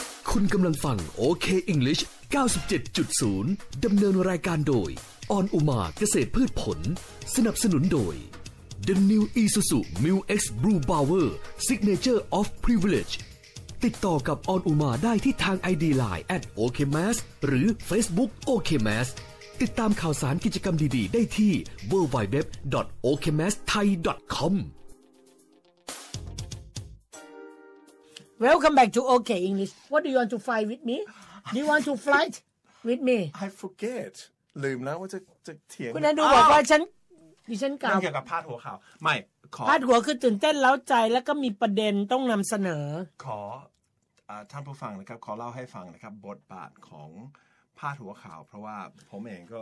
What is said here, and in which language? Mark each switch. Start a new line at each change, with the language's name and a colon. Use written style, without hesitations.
Thai: คุณกำลังฟัง OK English 97.0 ดำเนินรายการโดยออนอุมาเกษตรพืชผลสนับสนุนโดย The New Isuzu MU-X Blue Power Signature of Privilege ติดต่อกับออนอุมาได้ที่ทาง ID Line @okmas หรือ Facebook okmas ติดตามข่าวสารกิจกรรมดีๆได้ที่ www.okmasthai.com
English: Welcome back to OK English What do you want to fly with me? Do you want to fly with me? I forget
Thai: ลืมแล้วว่าจะเถียง คุณแอนดูบอกว่าฉันดิฉันกล่าว เกี่ยวกับพาดหัวข่าวไม่ขอ พาดหัวคือตื่นเต้นเล้าใจแล้วก็มีประเด็นต้องนำเสนอ ขอท่านผู้ฟังนะครับขอเล่าให้ฟังนะครับบทบาทของพาดหัวข่าวเพราะว่าผมเองก็